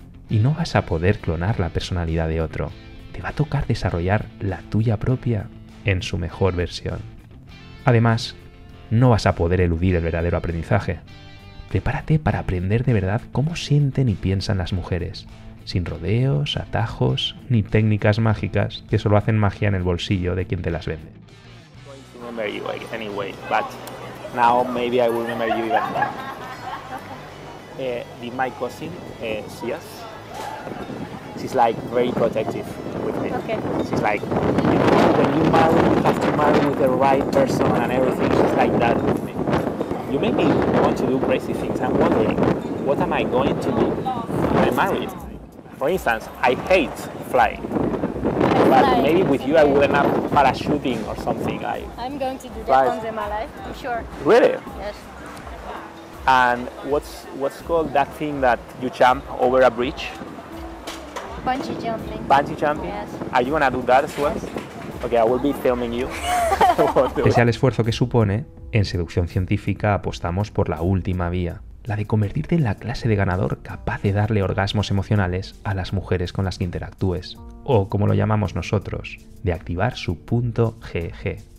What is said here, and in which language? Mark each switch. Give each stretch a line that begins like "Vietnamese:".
Spanish: Y no vas a poder clonar la personalidad de otro. Te va a tocar desarrollar la tuya propia en su mejor versión. Además, no vas a poder eludir el verdadero aprendizaje. Prepárate para aprender de verdad cómo sienten y piensan las mujeres, sin rodeos, atajos, ni técnicas mágicas que solo hacen magia en el bolsillo de quien te las vende.
English: I'm going to remember you anyway, but now maybe I will remember you even more. Did my cousin see us? She's like very protective with me. Okay. She's like, when you marry, you have to marry with the right person and everything. She's like that with me. You make me want to do crazy things. I'm wondering, what am I going to do when I'm married? For instance, I hate flying, but maybe with you I would end up parachuting or something. I'm going to do that once in my life, I'm sure. Really? Yes. And what's called that thing that you jump over a bridge? Bungee jumping. Bungee jumping? Yes. Are you going to do that as well? Yes. Okay, I will be filming you.
Spanish: Pese al esfuerzo que supone, en Seducción Científica apostamos por la última vía, la de convertirte en la clase de ganador capaz de darle orgasmos emocionales a las mujeres con las que interactúes, o como lo llamamos nosotros, de activar su punto GG.